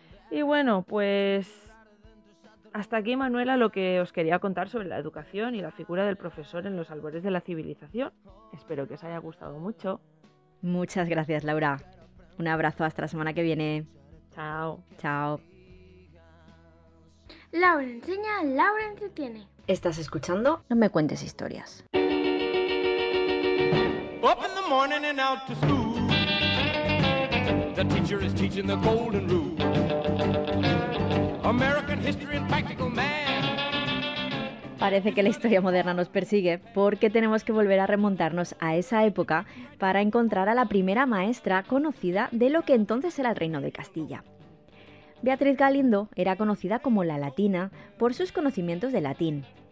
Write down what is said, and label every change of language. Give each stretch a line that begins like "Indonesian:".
Spanish: Y bueno, pues hasta aquí, Manuela, lo que os quería contar sobre la educación y la figura del profesor en los albores de la civilización. Espero que os haya gustado mucho. Muchas gracias, Laura. Un abrazo, hasta la semana que viene. Chao. Chao. Laura enseña, Laura entretiene. ¿Estás escuchando? No me cuentes historias.
English: Up in the morning and out to school. The teacher is teaching the golden rule. American history and practical math.
Spanish: Parece que la historia moderna nos persigue porque tenemos que volver a remontarnos a esa época para encontrar a la primera maestra conocida de lo que entonces era el Reino de Castilla. Beatriz Galindo era conocida como la Latina por sus conocimientos de latín.